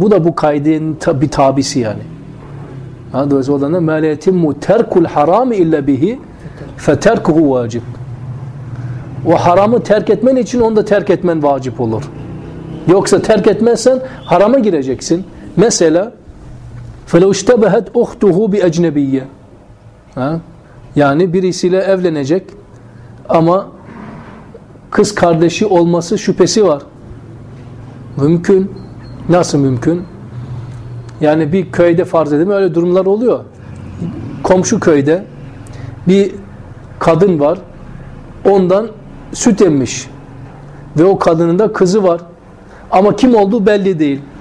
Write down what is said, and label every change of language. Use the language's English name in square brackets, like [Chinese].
[Turkish] Bu da bu kaydın bir tabisi yani. Ha, dolayısıyla o da ne? [Arabic] مَا لَيَتِمُّ تَرْكُ الْحَرَامِ اِلَّا بِهِ فَتَرْكُهُ وَاجِبُ. [Turkish] O haramı terk etmen için onu da terk etmen vacip olur. Yoksa terk etmezsen harama gireceksin. Mesela [Arabic] فَلَوْ اشْتَبَهَتْ اُخْتُهُ بِأَجْنَبِيَّ. [Turkish] Yani birisiyle evlenecek ama kız kardeşi olması şüphesi var. Mümkün. Nasıl mümkün? Yani bir köyde farz edelim, öyle durumlar oluyor. Komşu köyde bir kadın var, ondan süt emmiş ve o kadının da kızı var ama kim olduğu belli değil.